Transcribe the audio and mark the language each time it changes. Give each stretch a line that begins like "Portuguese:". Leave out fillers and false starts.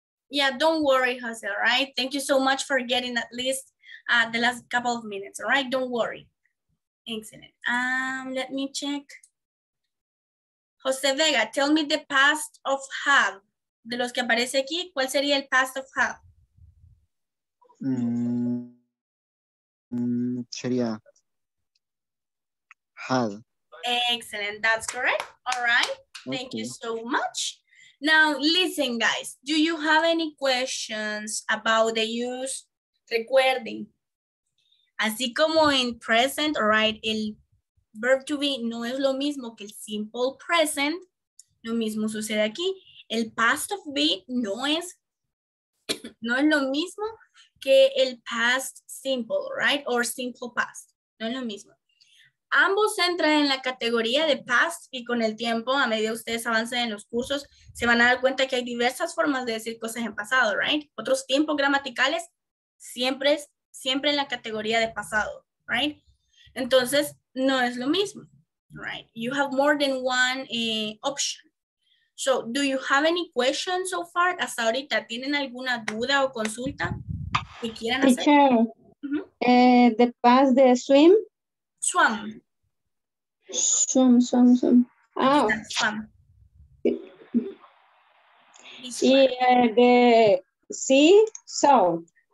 English: Yeah, don't worry, Jose. All right. Thank you so much for getting at least the last couple of minutes. All right. Don't worry. Excellent. Let me check. Jose Vega, tell me the past of have.
Spanish: De los que aparece aquí, ¿cuál sería el
English: past of have?
Spanish: Sería had.
English: Excellent, that's correct. All right, thank you so much. Now, listen, guys, do you have any questions about the use?
Spanish: Recuerden, así como en present, all right, el verb to be no es lo mismo que el simple present, lo mismo sucede aquí. El past of be no es lo mismo que el past simple, right? Or simple past, no es lo mismo. Ambos entran en la categoría de past y con el tiempo, a medida que ustedes avancen en los cursos, se van a dar cuenta que hay diversas formas de decir cosas en pasado, right? Otros tiempos gramaticales siempre en la categoría de pasado, right? Entonces, no es lo mismo, right?
English: You have more than one option. So, do you have any questions so far?
Spanish: Hasta ahorita, ¿tienen alguna duda o consulta que quieran hacer?
English: Teacher, the past de swim? Swam. Swam. Ah. Swam.
Spanish: Y de sea, salt.